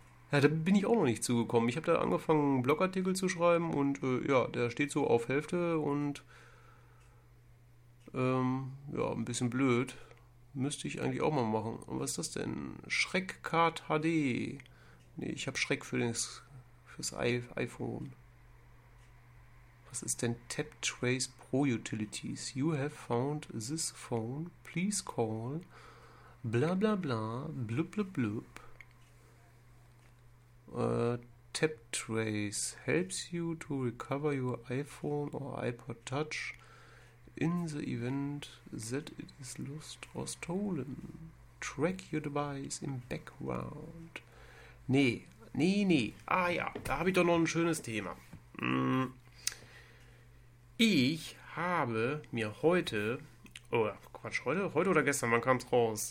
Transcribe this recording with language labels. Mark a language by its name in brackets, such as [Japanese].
[German] Ja, da bin ich auch noch nicht zugekommen. Ich habe da angefangen, Blogartikel zu schreiben und ja, der steht so auf Hälfte und ja, ein bisschen blöd. Müsste ich eigentlich auch mal machen. Aber was ist das denn? Schreckcard HD. Nee, ich habe Schreck fürs iPhone. Was ist denn TapTrace Pro Utilities? [English] You have found this phone. Please call. Bla bla bla. Blub blub blub. TapTrace helps you to recover your iPhone or iPod Touch in the event that it is lost or stolen. [German] Track your device im Background. Nee, nee, nee. Ah ja, da habe ich doch noch ein schönes Thema. Ich habe mir heute, oh Quatsch, heute oder gestern, wann kam es raus?